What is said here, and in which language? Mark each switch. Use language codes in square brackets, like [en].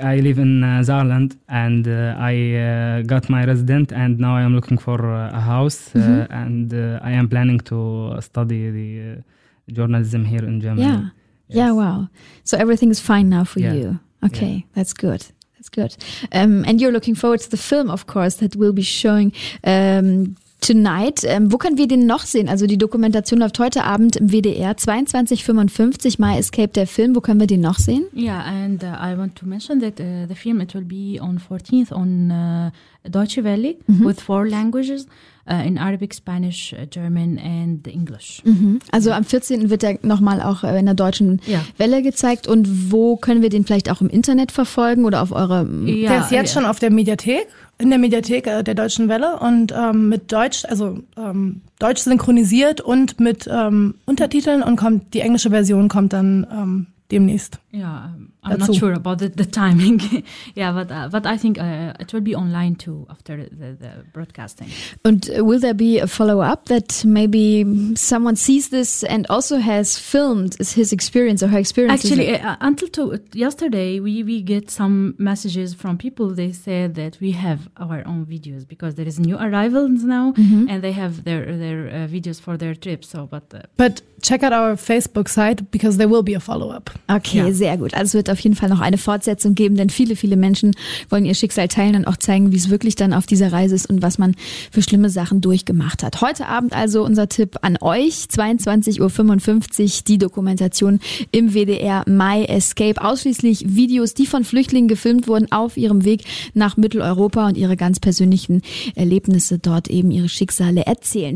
[en] I live in Saarland and I got my residence and now I am looking for a house, mm-hmm, and I am planning to study the journalism here in Germany. Yeah, yes. Yeah, wow. So everything is fine now for you. Okay, yeah. That's good. That's good. And you're looking forward to the film, of course, that we'll be showing tonight. [de] Wo können wir den noch sehen? Also die Dokumentation läuft heute Abend im WDR, 22:55, My Escape, der Film. Wo können wir den noch sehen? [en] Yeah, and I want to mention that the film, it will be on 14th on Deutsche Welle, mm-hmm, with four languages, in Arabic, Spanish, German and English. [de] Mm-hmm. Also am 14. wird der nochmal auch in der deutschen Welle gezeigt. Und wo können wir den vielleicht auch im Internet verfolgen oder auf eure... Der ist jetzt schon auf der Mediathek. In der Mediathek der Deutschen Welle und mit Deutsch, also Deutsch synchronisiert und mit Untertiteln und kommt die englische Version kommt dann demnächst. [en] Ja, I'm dazu. Not sure about the timing. Yeah, but I think it will be online too after the broadcasting. And will there be a follow-up that maybe someone sees this and also has filmed his experience or her experience? Actually, yesterday we get some messages from people. They said that we have our own videos because there is new arrivals now, mm-hmm, and they have their videos for their trip. So, but check out our Facebook site because there will be a follow-up. [de] Okay, sehr gut. Also auf jeden Fall noch eine Fortsetzung geben, denn viele, viele Menschen wollen ihr Schicksal teilen und auch zeigen, wie es wirklich dann auf dieser Reise ist und was man für schlimme Sachen durchgemacht hat. Heute Abend also unser Tipp an euch, 22:55, die Dokumentation im WDR My Escape, ausschließlich Videos, die von Flüchtlingen gefilmt wurden auf ihrem Weg nach Mitteleuropa und ihre ganz persönlichen Erlebnisse dort eben ihre Schicksale erzählen.